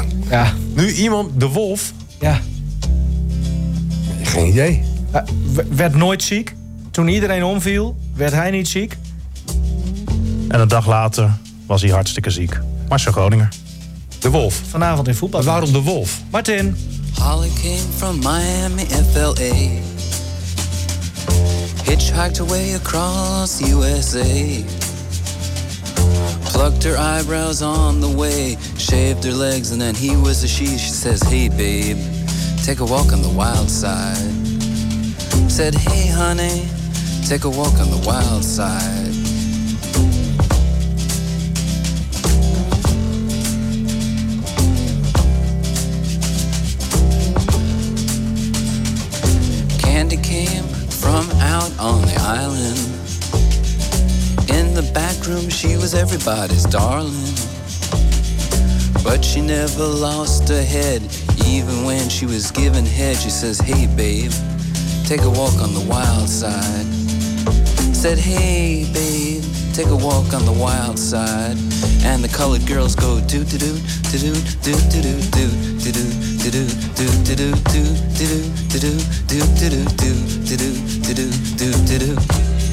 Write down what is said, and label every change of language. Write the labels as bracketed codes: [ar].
[nl] Ja. Nu iemand, De Wolf. Ja. Geen idee. Werd nooit ziek. Toen iedereen omviel, werd hij niet ziek. En een dag later was hij hartstikke ziek. Marcel Groninger. De Wolf. Vanavond in voetbal. Waarom De Wolf? Martin. [en] Holly came from Miami, FLA. Hitchhiked away across USA. Plucked her eyebrows on the way. Shaved her legs and then he was a she. She says, hey babe, take a walk on the wild side. Said, hey honey, take a walk on the wild side. Candy came from out on the island. In the back room she was everybody's darling. But she never lost a head. Even when she was given head, she says, hey babe, take a walk on the wild side. Said, hey babe, take a walk on the wild side. And the colored girls go do do do do do do do do do do do do do do do do do do do do do do do do do do do do do do do do.